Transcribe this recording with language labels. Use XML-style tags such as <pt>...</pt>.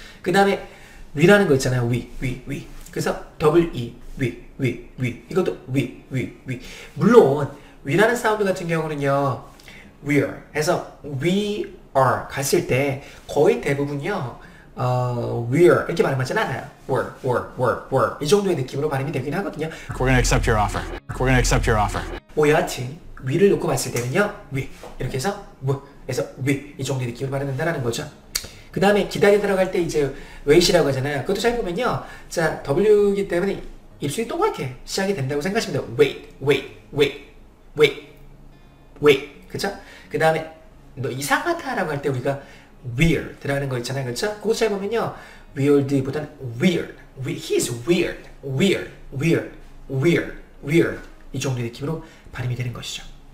<ko>그 다음에 위라는 거 있잖아요, 위, 위, 위. 그래서 W-E, 위, 위, 위. 이것도 위, 위, 위. 물론 위라는 사운드 같은 경우는요, where 해서 we are 갔을 때 거의 대부분요. We're 이렇게 발음하진 않아요. We're, we're, we're, we're 이 정도의 느낌으로 발음이 되긴 하거든요.</ko> <en>We're gonna accept your offer. We're gonna accept your offer.</en> <ko>뭐 여하튼 we를 놓고 봤을 때는요, we 이렇게 해서 we에서 we 이 정도의 느낌으로 발음된다는 거죠. 그 다음에 기다려 들어갈 때 이제 wait이라고 하잖아요. 그것도 잘 보면요, 자 W이기 때문에 입술이 동그랗게 시작이 된다고 생각하시면 돼요.</ko> <en>Wait, wait, wait, wait, wait.</en> <ko>그쵸? 그 다음에 너 이상하다라고 할 때 우리가 weird 라는 거 있잖아요, 그쵸?</ko> <en>그거 잘 보면요, weird 보다는 weird, he's weird, weird, weird, weird, weird, weird</en> <ko>이 정도의 느낌으로 발음이 되는 것이죠.</ko>